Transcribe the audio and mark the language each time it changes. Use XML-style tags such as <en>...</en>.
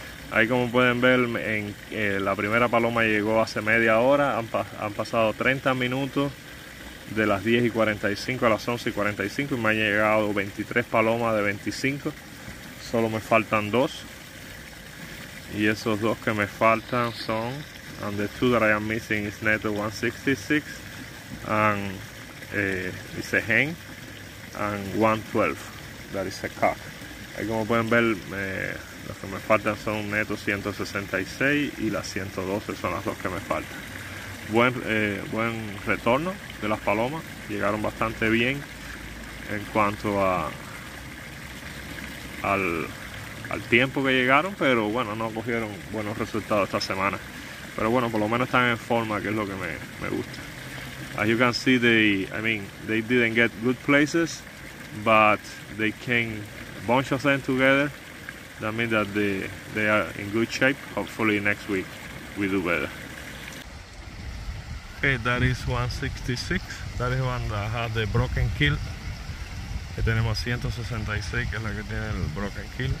<es>Ahí como pueden ver, en la primera paloma llegó hace media hora. Han pasado 30 minutos de las 10:45 a las 11:45 y me han llegado 23 palomas de 25. Solo me faltan dos. Y esos dos que me faltan son,</es> <en>and the two that I am missing is Neto 166 and it's a hen and 112, that is a cock.</en> <es>Ahí como pueden ver, los que me faltan son Neto 166 y las 112 son las dos que me faltan. Buen retorno de las palomas, llegaron bastante bien en cuanto a al tiempo que llegaron, pero bueno, no cogieron buenos resultados esta semana. Pero bueno, por lo menos están en forma, que es lo que me gusta.</es> <en>As you can see, they didn't get good places, but they came, a bunch of them together. That means that they are in good shape. Hopefully next week we do better. Okay, that is 166. That is one that had the broken kill.</en> <es>Que tenemos 166, que es la que tiene el</es> <en>broken kill.</en>